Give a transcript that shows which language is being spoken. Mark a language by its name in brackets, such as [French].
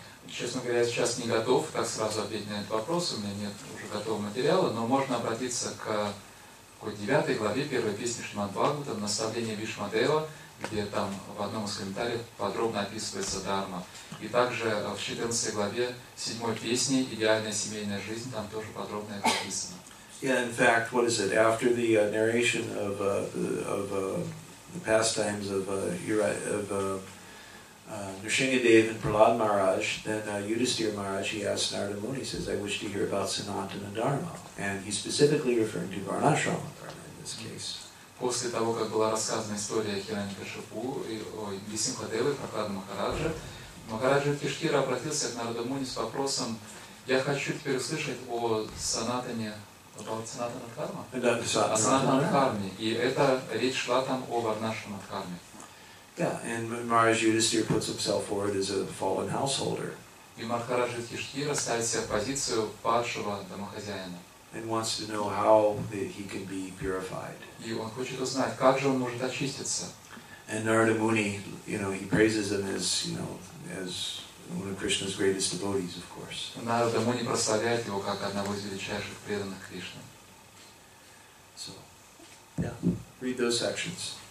[Russian] Честно говоря, я сейчас не готов так сразу ответить на этот вопрос, у меня нет уже готового материала, но можно обратиться к 9 главе 1 песни Шримад-Бхагаватам, наставление Бишмадева, где там в одном из комментариев подробно описывается дхарма. И также в 14 главе 7 песни «Идеальная семейная жизнь» там тоже подробно это описано. [English] Yeah, in fact, what is it? After the narration of the pastimes of Nrsingadev and Prahlad Maharaj, then Yudhisthira Maharaj, he asked Narada Muni, he says, I wish to hear about Sanatana Dharma. And he's specifically referring to Varnashrama Dharma in this case. [Russian] После того, как была рассказана история Хираньякашипу и Нрсингхадевы, Прахлада Махараджа, Махараджа Киштира обратился к Нарада Муни с вопросом, я хочу теперь услышать о Санатане, [English] about Sanatana Dharma? [Russian] О Санатана Дхарме. И это речь шла там о Варнашрама Дхарме. [English] Yeah, and Maharaj Yudhisthira puts himself forward as a fallen householder. [Russian] И Махарадж Юдхиштхира ставит себя в позицию падшего домохозяина. [English] And wants to know how he can be purified. [Russian] И он хочет узнать, как же он может очиститься. [English] And Narada Muni, he praises him as one of Krishna's greatest devotees, of course. [Russian] Narada Muni прославляет его как одного из величайших преданных Кришны. [English] So, yeah, read those sections.